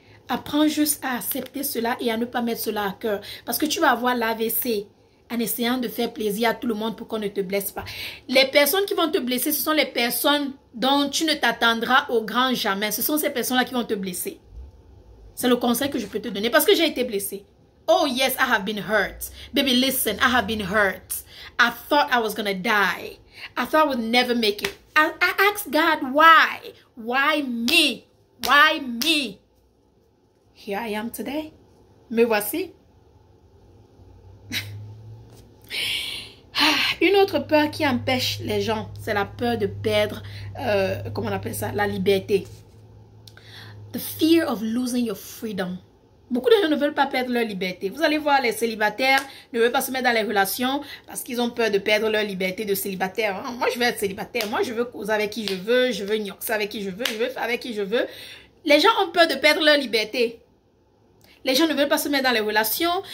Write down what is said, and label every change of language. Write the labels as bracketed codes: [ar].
[fr] Apprends juste à accepter cela et à ne pas mettre cela à cœur. Parce que tu vas avoir l'AVC en essayant de faire plaisir à tout le monde pour qu'on ne te blesse pas. Les personnes qui vont te blesser, ce sont les personnes dont tu ne t'attendras au grand jamais. Ce sont ces personnes-là qui vont te blesser. C'est le conseil que je peux te donner parce que j'ai été blessée. [en] Oh yes, I have been hurt. Baby, listen, I have been hurt. I thought I was gonna die. I thought I would never make it. I asked God why. Why me? Why me? Here I am today. [fr] Me voici. Une autre peur qui empêche les gens, c'est la peur de perdre, la liberté. [en] The fear of losing your freedom. [fr] Beaucoup de gens ne veulent pas perdre leur liberté. Vous allez voir, les célibataires ne veulent pas se mettre dans les relations parce qu'ils ont peur de perdre leur liberté de célibataire. Moi, je veux être célibataire. Moi, je veux causer avec qui je veux. Je veux nioxer avec qui je veux. Je veux faire avec qui je veux. Les gens ont peur de perdre leur liberté. Les gens ne veulent pas se mettre dans les relations.